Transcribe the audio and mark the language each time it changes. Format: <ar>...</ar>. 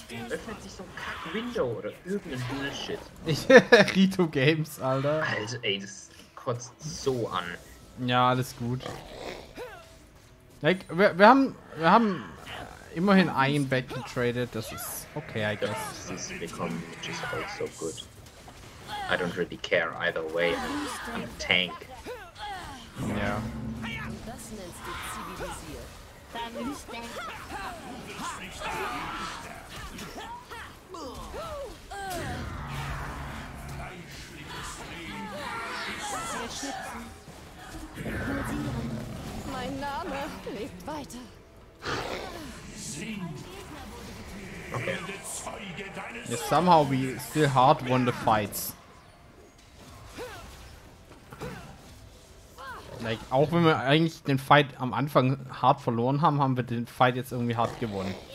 <de>Öffnet sich so ein Kack-Window oder irgendein Bullshit. Rito Games, Alter. Also ey, das kotzt so an. Ja, alles gut.</de> <en>Like,</en> <de>wir haben immerhin einen Bett getradet, das ist okay,</de> <en>I guess.</en> <de>Das ist bekommen,</de> <en>which is also good. I don't really care either way, I'm a tank.</en> <de>Ja. Mein Name lebt weiter. Okay.</de> <en>Yeah, somehow we still hard won the fights. Like,</en> <de>auch wenn wir eigentlich den Fight am Anfang hart verloren haben, haben wir den Fight jetzt irgendwie hart gewonnen.</de>